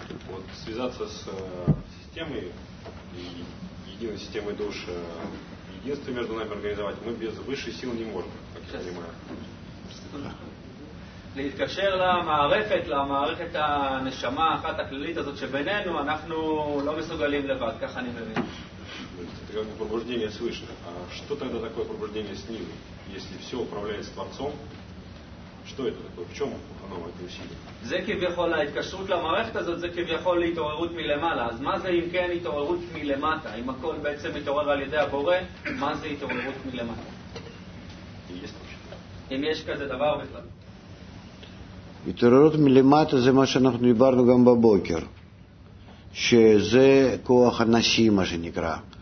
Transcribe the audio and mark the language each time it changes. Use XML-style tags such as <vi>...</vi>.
<ru>Вот связаться с системой единой системой душ, единство между нами организовать, мы без высшей силы не можем, как я понимаю.</ru> <he>להתקשר למערכת, למערכת הנשמה אחת הכללית הזאת שבינינו, אנחנו לא מסוגלים לבד, ככה אני מבין.</he> <ru>Пробуждение свыше. А что тогда такое пробуждение снизу, если всё управляет творцом? Что это такое? В чём оно в этой силе?</ru> <he>זה כביכול ההתקשרות למערכת הזאת, זה כביכול להתעוררות מלמעלה. אז מה זה אם כן התעוררות מלמטה? אם הכל בעצם מתעורר על ידי הבורא, מה זה התעוררות מלמטה? אם יש כזה דבר בכלל. התעוררות מלמטה זה מה שאנחנו דיברנו גם בבוקר, שזה כוח הנשי, מה שנקרא.</he>